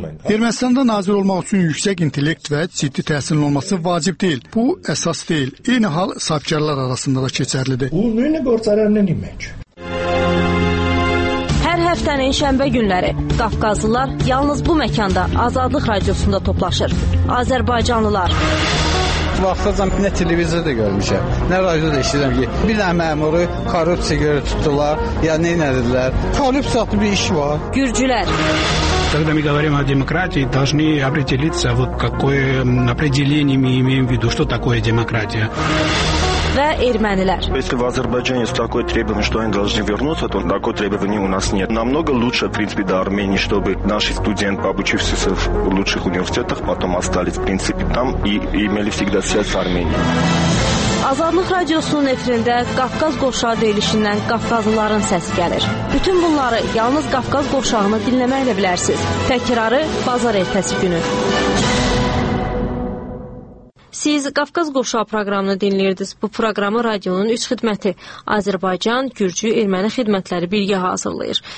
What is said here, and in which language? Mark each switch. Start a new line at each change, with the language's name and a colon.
Azerbaijani: Ermənistanda nazir olmaq üçün yüksək intellekt və ciddi təhsilin olması vacib deyil. Bu, əsas deyil. Eyni hal, sahibkarlar arasında da keçərlidir. Bu, nəyə qorçarən nəyəmək? Həftənin şənbə günləri Qafqazlılar yalnız bu məkanda Azadlıq Radiosunda toplaşır. Azərbaycanlılar. Vaxtacam nə televizorda görmüşəm, nə radioda işləyirəm ki, bir dənə məmuru korrupsiya görə tutdular, ya nə edirlər? Talib satı bir iş var. Gürcülər.
Russian: Когда мы говорим о демократии, должны определиться, вот какое определение мы имеем в виду, что такое демократия.
Azerbaijani: Və ermənilər.
Russian: Если в Азербайджане есть такое требование, что они должны вернуться, то такое требование у нас нет. Намного лучше, в принципе, до Армении, чтобы наши студенты, обучившиеся в лучших университетах, потом остались, в принципе, там и имели всегда связь с Арменией.
Azerbaijani: Azadlıq Radiosunun efirində Qafqaz Qovşağı deyilişindən Qafqazlıların səsi gəlir. Bütün bunları yalnız Qafqaz Qovşağını dinləməklə bilərsiniz. Təkrarı bazar ertəsi günü. Siz Qafqaz Qovşağı proqramını dinləyirdiniz. Bu proqramı radionun 3 xidməti Azərbaycan, Gürcü, Erməni xidmətləri birgə hazırlayır.